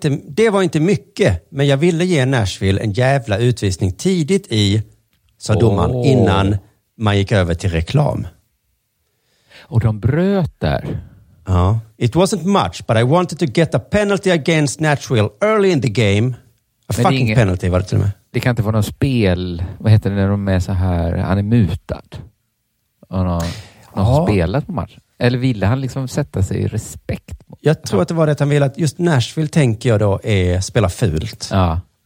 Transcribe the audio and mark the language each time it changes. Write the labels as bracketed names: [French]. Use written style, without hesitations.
[Swedish] Det var inte mycket, men jag ville ge Nashville en jävla utvisning tidigt i... Sa domaren innan man gick över till reklam. Och de bröt där. Ja. [English] It wasn't much, but I wanted to get a penalty against Nashville early in the game. [Swedish] Penalty var det till och med. Det kan inte vara någon spel. Vad heter det när de är så här? Han är mutad. Och någon har spelat på match. Eller ville han liksom sätta sig i respekt? Mot jag tror att det var det han ville. Att just Nashville tänker jag då är spela fult. Ja.